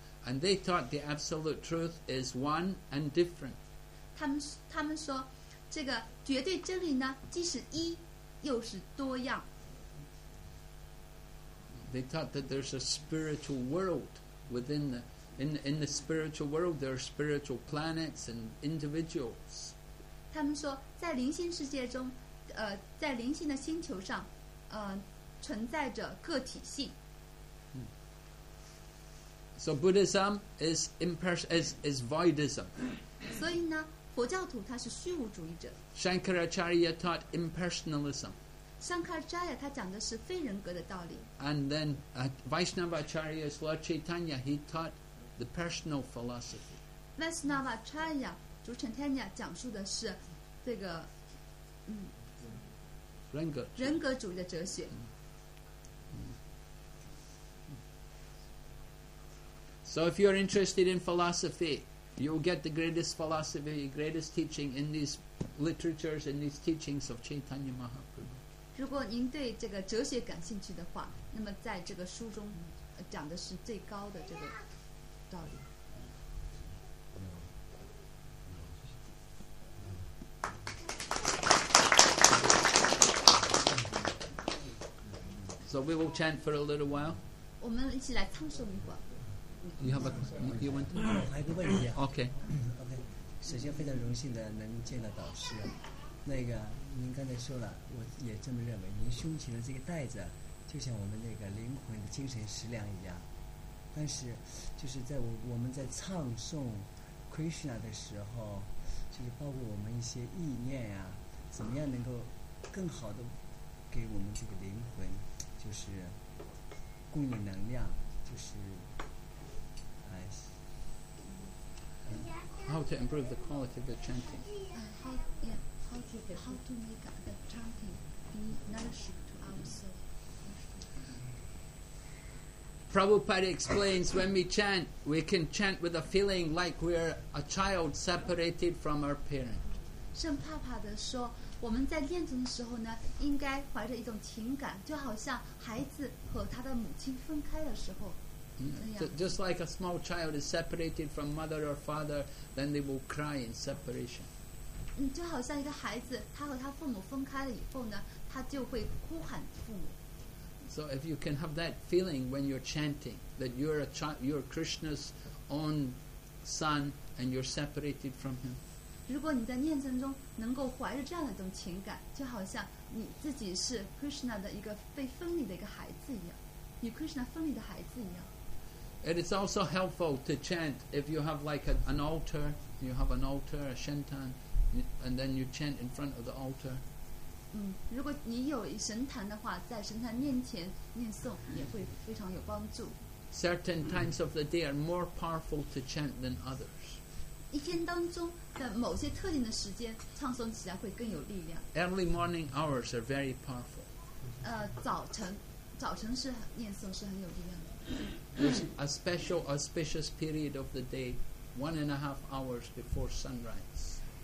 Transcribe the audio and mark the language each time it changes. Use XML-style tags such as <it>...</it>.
<en>And they thought the absolute truth is one and different。</en> <zh>他们说，这个绝对真理呢，既是一，又是多样。</zh> <en>They thought that there's a spiritual world within the。 In the spiritual world, there are spiritual planets and individuals.</en> <zh>他们说，在灵性世界中，在灵性的星球上，存在着个体性。</zh> <en>So Buddhism is is voidism.</en> <zh>所以呢，佛教徒他是虚无主义者。</zh> <en>Shankaracharya taught impersonalism.</en> <zh>Shankaracharya 他讲的是非人格的道理。</zh> <en>And then Vaishnava Acharya's Lord Chaitanya he taughtThe personal philosophy.</en> <zh>Vaishnava Acharya, 主 Chaitanya 讲述的是这个人格主义的哲学。</zh> <en>So if you are interested in philosophy, you will get the greatest philosophy, greatest teaching in these literatures, in these teachings of Chaitanya Mahaprabhu.</en> <zh>如果您对这个哲学感兴趣的话，那么在这个书中讲的是最高的这个。</zh> <en>So we will chant for a little while.</en> <zh>我们一起来唱诵一会儿。</zh> <en>You have you want?</en> <zh>还有个问题。</zh> <en>Okay. Okay.</en> <zh>首先非常荣幸的能见到导师。那个您刚才说了，我也这么认为。您胸前的这个袋子，就像我们那个灵魂的精神食粮一样。但是就是在我们在唱诵 Krishna 的时候，就是包括我们一些意念啊，怎么样能够更好的给我们这个灵魂就是供应能量，就是</zh> <en>How to improve the quality of the chanting how to make the chanting be nourishing to ourselves Prabhupada explains when we chant, we can chant with a feeling like we're a child separated from our parent.</en> <zh>圣帕帕的说，我们在念诵的时候呢，应该怀着一种情感，就好像孩子和他的母亲分开的时候。</zh> <en>Just like a small child is separated from mother or father, then they will cry in separation.</en> <zh>就好像一个孩子，他和他父母分开了以后呢，他就会哭喊父母。</zh> <en>So if you can have that feeling when you're chanting that you're you're Krishna's own son and you're separated from him.</en> <zh>如果你在念诵中能够怀着这样的一种情感，就好像你自己是 Krishna 的一个被分离的一个孩子一样，与 Krishna 分离的孩子一样。</zh> <en>It is also helpful to chant if you have like an altar. You have an altar, a shantan, and then you chant in front of the altar.</en> <zh>嗯，如果你有神坛的话，在神坛面前念诵也会非常有帮助。</zh> <en>Certain times of the day are more powerful to chant than others.</en> <zh>一天当中的某些特定的时间，唱诵起来会更有力量。</zh> <en>Early morning hours are very powerful.</en> <zh>早晨是念诵是很有力量的。</zh> <en>There's a special auspicious period of the day, 1.5 hours before sunrise.</en>